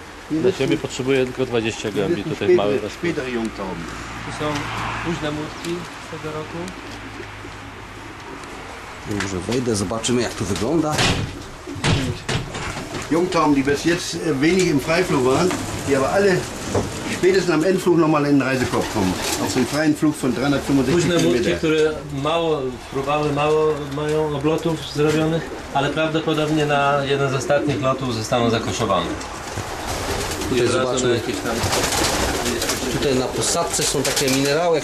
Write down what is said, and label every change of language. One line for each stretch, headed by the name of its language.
Polish: Dla ciebie potrzebuję tylko 20 gołębi, tutaj mały rozpłód. Tu są późne młódki z tego roku. Dobrze, wejdę, zobaczymy, jak to wygląda.
German: Jungtauben, die bis jetzt wenig im Freiflug waren, die aber alle spätestens am Endflug nochmal in den Reisekorb kommen. Auf den freien Flug von 365 Kilometer.
Polish: Późne młódki, które mało mają oblotów zrobionych, ale prawdopodobnie na jeden z ostatnich lotów zostaną zakoszowane. Tutaj zobaczmy, tutaj na posadce są takie minerały.